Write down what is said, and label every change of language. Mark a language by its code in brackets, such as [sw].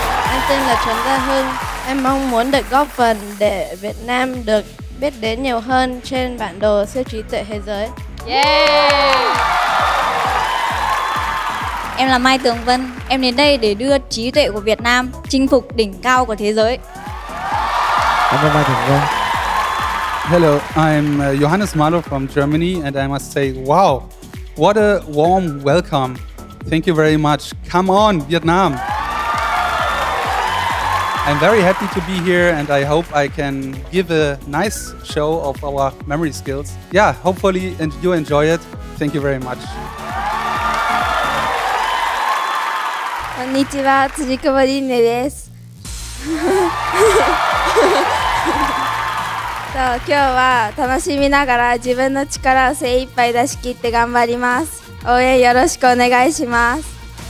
[vi] Em tên là Trần Gia Hưng, em mong muốn được góp phần để Việt Nam được biết đến nhiều hơn trên bản đồ siêu trí tuệ thế giới. Em là Mai Tường Vân, em đến đây để đưa trí tuệ của Việt Nam chinh phục đỉnh cao của thế giới. Cảm ơn Mai Tường Vân. [en] Hello, I'm Johannes Marlow from Germany, and I must say, wow, what a warm welcome. Thank you very much. Come on, Vietnam. I'm very happy to be here, and I hope I can give a nice show of our memory skills. Yeah, hopefully you enjoy it. Thank you very much. [ja] こんにちは、辻久保凛音です。そう、今日は楽しみながら自分の力を精一杯出し切って頑張ります。応援よろしくお願いします。